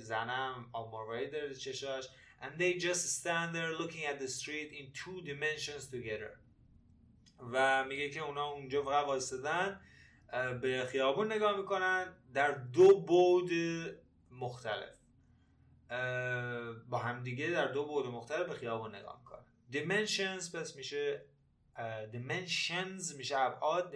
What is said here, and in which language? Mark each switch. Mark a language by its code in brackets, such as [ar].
[fa] زنم آب مروارید داره چشاش. [en] And they just stand there looking at the street in two dimensions together. [fa] و میگه که اونا اونجا فقط واسدن به خیابون نگاه میکنن در دو بعد مختلف با هم دیگه در دو بعد مختلف به خیابون نگاه میکنن. dimensions پس میشه dimensions میشه ابعاد.